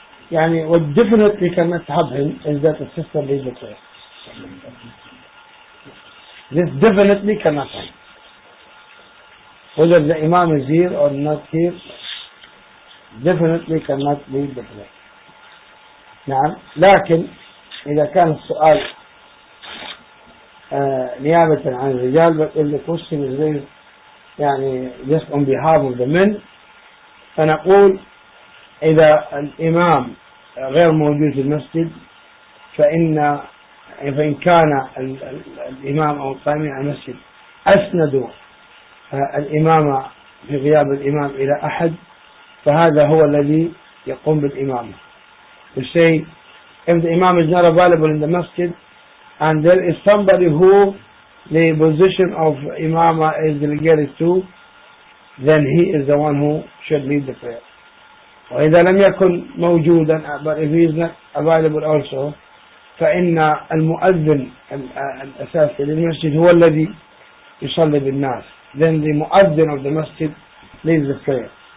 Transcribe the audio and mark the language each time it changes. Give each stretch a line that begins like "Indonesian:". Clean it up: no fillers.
English: What definitely cannot happen is that the sister leads the prayer. This definitely cannot happen. Whether the imam is here or not here, definitely cannot lead the prayer.
Arabic: نعم. لكن إذا كان السؤال نيابة عن الرجال، بقول لك وسيم الزيز
English: just on behalf of the men،
Arabic: فنقول إذا الإمام غير موجود في المسجد فإن كان الإمام أو القائم على المسجد أسندوا الإمامة في غياب الإمام إلى أحد، فهذا هو الذي يقوم بالإمامة.
English: We say if the imam is not available in the masjid and there is somebody who the position of imama is delegated to, then he is the one who should lead the prayer.
Arabic: وإذا لم يكن موجودا
English: but if he is not available also,
Arabic: فإن المؤذن الأساسي للمسجد هو الذي يصلي بالناس.
English: Then the مؤذن of the masjid leads the prayer.